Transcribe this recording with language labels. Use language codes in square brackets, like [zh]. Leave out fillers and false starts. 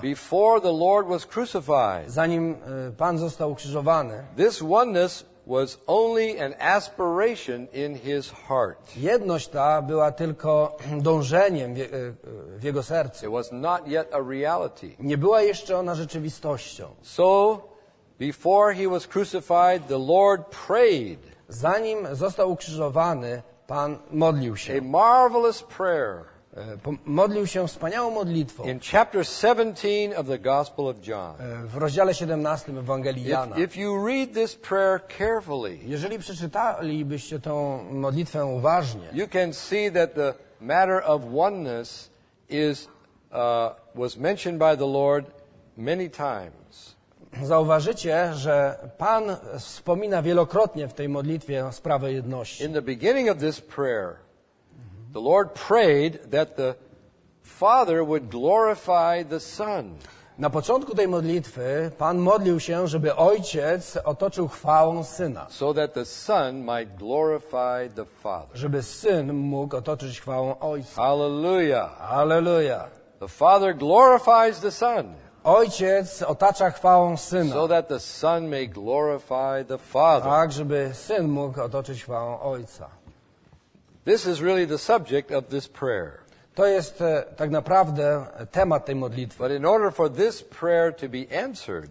[en] before the Lord was crucified, [pl] zanim Pan został ukrzyżowany, [en] this oneness was only an aspiration in his heart. [pl] Jedność ta była tylko dążeniem w jego sercu. [en] It was not yet a reality. [pl] Nie była jeszcze ona rzeczywistością. [en] So, before he was crucified, the Lord prayed. [pl] Zanim został ukrzyżowany, Pan modlił się. [en] A marvelous prayer. [pl] Modlił się wspaniałą modlitwą. [en] In chapter 17 of the Gospel of John. [pl] W rozdziale 17 Ewangelii Jana. [en] If you read this prayer carefully, [pl] jeżeli przeczytalibyście tę modlitwę uważnie, [en] you can see that the matter of oneness is was mentioned by the Lord many times. [pl] Zauważycie, że Pan wspomina wielokrotnie w tej modlitwie sprawę jedności. [en] In the beginning of this prayer, the Lord prayed that the Father would glorify the Son. [pl] Na początku tej modlitwy Pan modlił się, żeby Ojciec otoczył chwałą Syna. [en] So that the Son might glorify the Father. [pl] Żeby Syn mógł otoczyć chwałą Ojca. [en] Hallelujah. Hallelujah. The Father glorifies the Son. [pl] Ojciec otacza chwałą Syna. [en] So that the Son may glorify the Father. [pl] Tak, żeby Syn mógł otoczyć chwałą Ojca. [en] This is really the subject of this prayer. [pl] To jest tak naprawdę temat tej modlitwy. [en] But in order for this prayer to be answered,